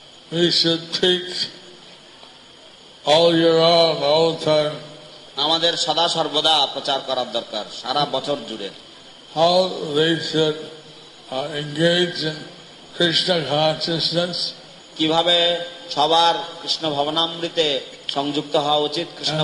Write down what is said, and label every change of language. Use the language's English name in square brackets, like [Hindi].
[English] We should preach all year round, all the time. [Bangla] আমাদের সদা সর্বদা প্রচার করার দরকার সারা বছর জুড়ে. [English] How they should engage in Krishna consciousness? [Bangla] কিভাবে সবার কৃষ্ণ ভবনামৃতে সংযুক্ত হওয়া উচিত, কৃষ্ণ